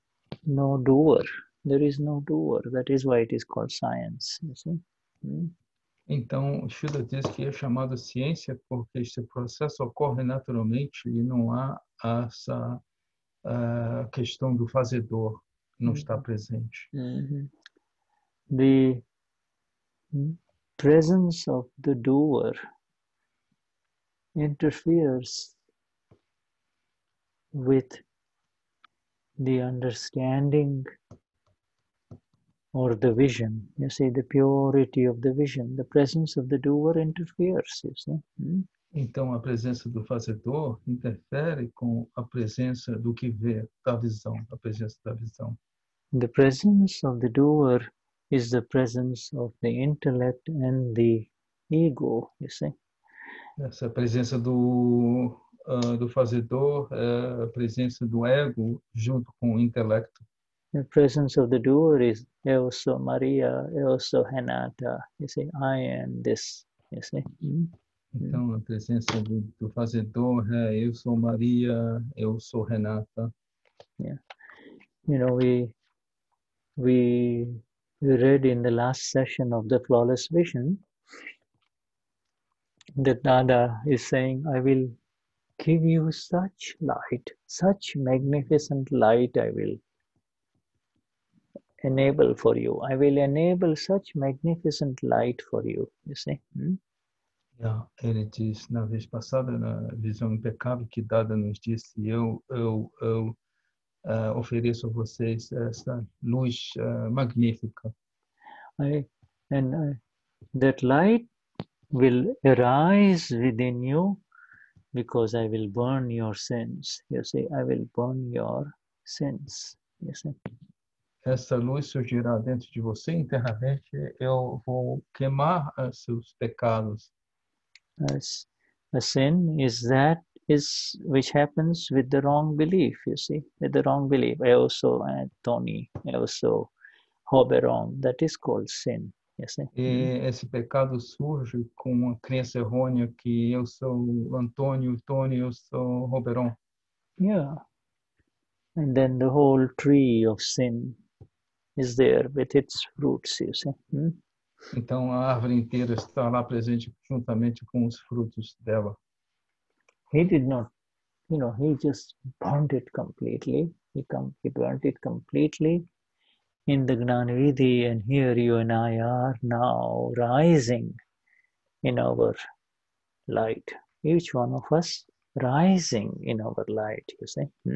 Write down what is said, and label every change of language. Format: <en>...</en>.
<en>There is no doer. There is no doer. That is why it is called science, you see.</en> <pt>Então, Shuddha diz que é chamado ciência porque esse processo ocorre naturalmente e não há essa questão do fazedor não está presente.</pt> <en>The presence of the doer interferes with the understanding or the vision, you see, the purity of the vision, the presence of the doer interferes, you see.</en> <pt>Então, a presença do fazedor interfere com a presença do que vê, da visão, a presença da visão.</pt> <en>The presence of the doer is the presence of the intellect and the ego, you see.</en> <pt>Essa presença do fazedor é a presença do ego junto com o intelecto.</pt> <en>The presence of the doer is</en> <pt>eu sou Maria, eu sou Renata,</pt> <en>you see, I am this, you see.</en> <pt>Então, a presença do fazedor é eu sou Maria, eu sou Renata.</pt> <en>Yeah. You know, we read in the last session of the Flawless Vision that Dada is saying, I will give you such light, such magnificent light I will enable for you. I will enable such magnificent light for you, you see.</en> <pt>Yeah, ele diz na vez passada, na visão impecável que Dada nos disse, eu ofereço a vocês essa luz magnífica.</pt> <en>I, And that light will arise within you because I will burn your sins. You see, I will burn your sins. You see?</en> <pt>Essa luz surgirá dentro de você internamente. Eu vou queimar seus pecados.</pt> <en>A sin is that is which happens with the wrong belief. You see, with the wrong belief. I also, Tony, I also hope wrong. That is called sin. You see?</en> <pt>E esse pecado surge com a crença errônea que eu sou Antônio, Tony, eu sou Roberon.</pt> <en>Yeah. And then the whole tree of sin is there with its fruits, you see.</en> <pt>Então a árvore inteira está lá presente juntamente com os frutos dela.</pt> <en>He did not, you know, he just burnt it completely. He burnt it completely. In the Gnanavidhi, and here you and I are now rising in our light. Each one of us rising in our light, you see.</en>